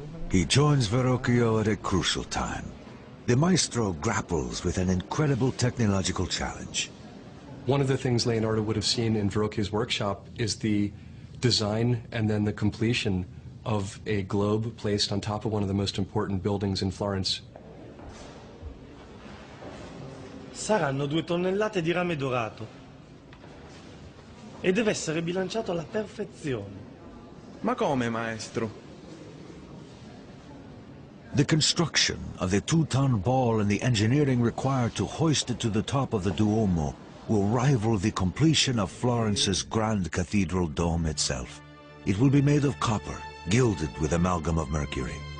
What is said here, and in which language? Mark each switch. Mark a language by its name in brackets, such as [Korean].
[English] He joins Verrocchio at a crucial time. The maestro grapples with an incredible technological challenge. One of the things Leonardo would have seen in Verrocchio's workshop is the design and then the completion of a globe placed on top of one of the most important buildings in Florence. [Italian] Saranno 2 tonnellate di rame dorato e deve essere bilanciato alla perfezione. Ma come, maestro? [English] The construction of the 2-ton ball and the engineering required to hoist it to the top of the Duomo will rival the completion of Florence's grand cathedral dome itself. It will be made of copper, gilded with amalgam of mercury.